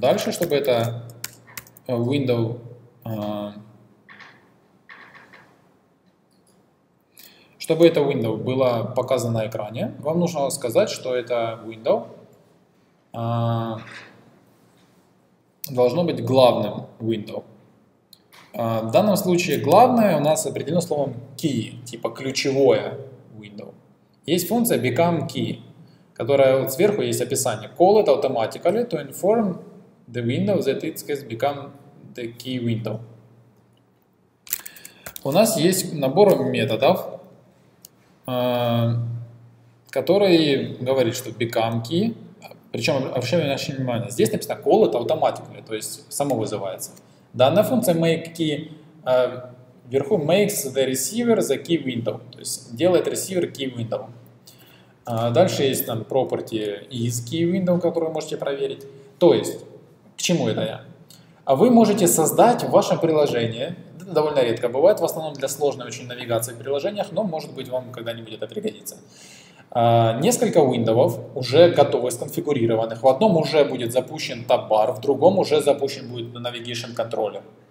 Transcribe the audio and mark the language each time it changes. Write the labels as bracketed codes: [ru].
[ru] Дальше, чтобы это window чтобы это window было показано на экране, вам нужно сказать, что это window должно быть главным window. В данном случае главное у нас определено словом key, типа ключевое window. Есть функция becomeKey, которая вот сверху есть описание. [en] Call it automatically to inform the window that it has become the key window. [ru] У нас есть набор методов, который говорит, что becomeKey, причем обращаем наше внимание, здесь написано [en] call it automatically, [ru] то есть само вызывается. Данная функция makeKey, вверху [en] makes the receiver the key window, [ru] то есть делает receiver key window. Дальше есть там property is key window, которую можете проверить. То есть, к чему это я? Вы можете создать в вашем приложении, довольно редко бывает, в основном для сложной очень навигации в приложениях, но может быть вам когда-нибудь это пригодится. Несколько window уже готовы, сконфигурированных. В одном уже будет запущен топ-бар, в другом уже запущен будет navigation controller.